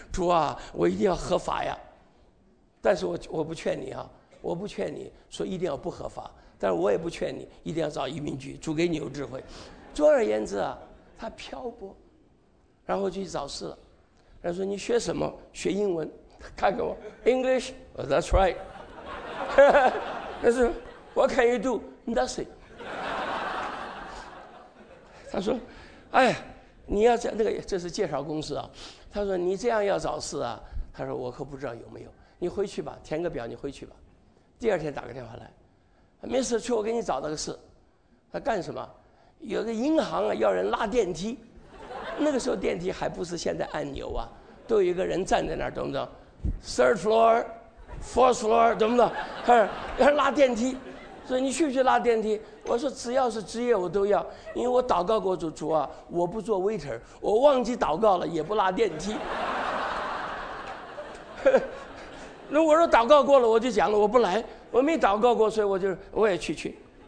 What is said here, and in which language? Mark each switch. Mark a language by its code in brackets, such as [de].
[zh] 主啊，我一定要合法呀。但是我不劝你啊，我不劝你说一定要不合法，但是我也不劝你一定要找移民局，主给你有智慧。总而言之啊，他漂泊，然后就去找事了。他说你学什么？学英文。看看我 [en] English、oh, That's right [zh] 他说 [en] What can you do? Nothing [zh] 他说哎呀，你要这、那个、这是介绍公司啊。他说你这样要找事啊？他说我可不知道有没有，你回去吧，填个表你回去吧。第二天打个电话来，没事，去我给你找那个事。他干什么？有个银行啊，要人拉电梯，那个时候电梯还不是现在按钮啊，都有一个人站在那儿，懂不懂？ [en] Third floor, fourth floor, [zh] 怎么的？要拉电梯，说你去不去拉电梯？我说只要是职业我都要，因为我祷告过主啊，我不做 waiter， 我忘记祷告了也不拉电梯。那我说祷告过了我就讲了，我不来，我没祷告过，所以我也去。